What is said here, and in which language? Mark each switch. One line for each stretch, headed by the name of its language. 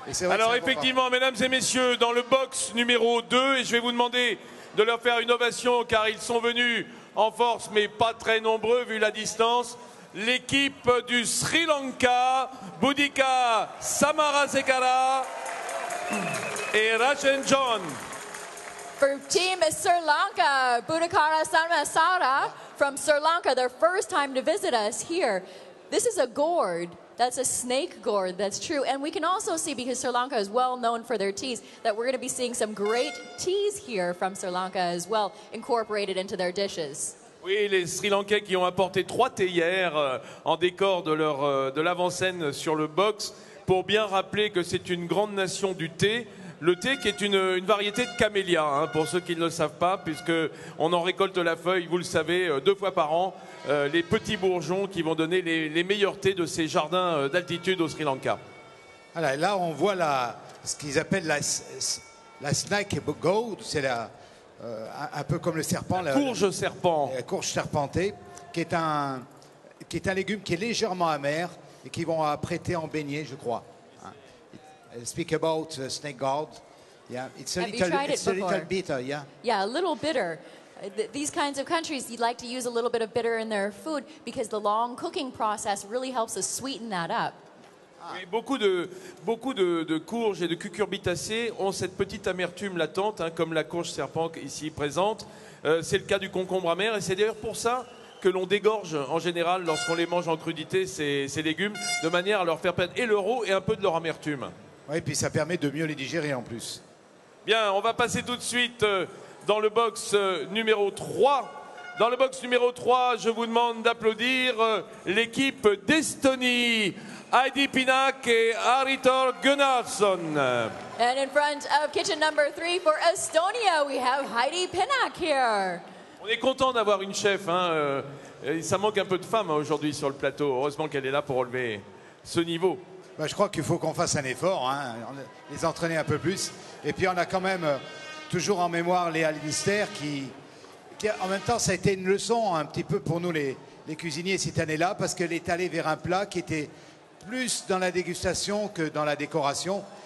French: Alors effectivement, mesdames et messieurs, dans le box numéro 2, et je vais vous demander de leur faire une ovation car ils sont venus en force, mais pas très nombreux vu la distance. L'équipe du Sri Lanka, Buddhika Samarasekara et Rajan John.
English: For team Sri Lanka, Buddhika Samarasekara from Sri Lanka, their first time to visit us here. This is a gourd. That's a snake gourd, that's true. And we can also see, because Sri Lanka is well known for their teas, that we're going to be seeing some great teas here from Sri Lanka as well, incorporated into their dishes.
French: Oui, les Sri Lankais qui ont apporté trois théières en décor de leur de l'avant-scène sur le box pour bien rappeler que c'est une grande nation du thé. Le thé qui est une variété de camélia, hein, pour ceux qui ne le savent pas, puisqu'on en récolte la feuille, vous le savez, deux fois par an, les petits bourgeons qui vont donner les meilleurs thés de ces jardins d'altitude au Sri Lanka. Voilà, là, on voit la, ce qu'ils appellent la snake goat, c'est la, un peu comme le serpent. La courge serpent. La courge serpentée, qui est un légume qui est légèrement amer et qui vont apprêter en beignet, je crois.
English: Speak about snake gourd. Yeah, it's a little bitter. Yeah. Yeah, a little bitter. These kinds of countries, you'd like to use a little bit of bitter in their food because the long cooking process really helps us sweeten that up.
French: Oui, beaucoup de courges et de cucurbitacées ont cette petite amertume latente, hein, comme la courge serpent ici présente. C'est le cas du concombre amer, et c'est d'ailleurs pour ça que l'on dégorge en général lorsqu'on les mange en crudité ces légumes, de manière à leur faire perdre et leur eau et un peu de leur amertume. Oui, puis ça permet de mieux les digérer en plus. Bien, on va passer tout de suite dans le box numéro 3. Dans le box numéro 3, je vous demande d'applaudir l'équipe d'Estonie, Heidi Pinnock et Arthur Gunnarsson. And in front of kitchen number 3 for Estonia, we have Heidi Pinnock here. On est content d'avoir une chef, hein. Ça manque un peu de femmes aujourd'hui sur le plateau. Heureusement qu'elle est là pour relever ce niveau. Ben, je crois qu'il faut qu'on fasse un effort, hein, les entraîner un peu plus. Et puis on a quand même toujours en mémoire Léa Lindster qui en même temps, ça a été une leçon un petit peu pour nous les cuisiniers cette année-là, parce qu'elle est allée vers un plat qui était plus dans la dégustation que dans la décoration.